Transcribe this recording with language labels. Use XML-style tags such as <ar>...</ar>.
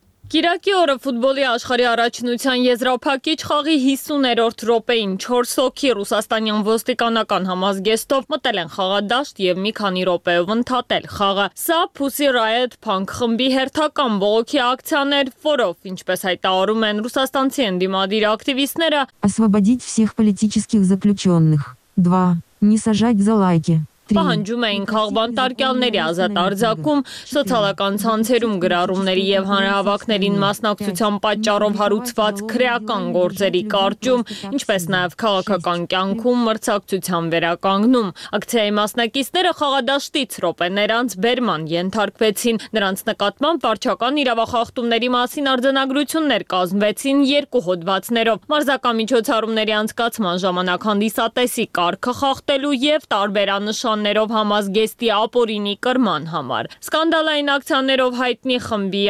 <hy>Կիրակի օրը ֆուտբոլի աշխարհի առաջնության եզրափակիչ խաղի 50-րդ րոպեին 4 հոգի ռուսաստանյան ոստիկանական համազգեստով մտել են խաղադաշտ և մի քանի րոպեով ընդհատել խաղը։ Սա Pussy Riot Punk խմբի հերթական ողոքի ակցիան էր, որով, ինչպես հայտարարում են ռուսաստանցի ընդդիմադիր ակտիվիստները,</hy> <ru>освободить всех политических заключённых. 2. Не сажать за лайки.</ru> <hy>Պահանջում էին քաղբան տարկյալների ազատ արձակում, սոցիալական ցանցերում գրառումների եւ հանրահավաքներին մասնակցության պատճառով հարուցված քրեական գործերի կարճում, ինչպես նաեւ քաղաքական կյանքում մրցակցության վերականգնում։ Ակցիայի մասնակիցները խաղադաշտից ռոպեներ անց բերման ենթարկվեցին։ Նրանց նկատմամբ վարչական իրավախախտումների մասին արձանագրություններ կազմվեցին երկու հոդվածներով։ Մարզական միջոցառումների անցկացման ժամանակ հանդիսատեսի կարգը խախտելու եւ տարբերանշաններով համազգեստի ապօրինի կրման համար։ Սկանդալային ակցիաներով հայտնի խմբի</hy>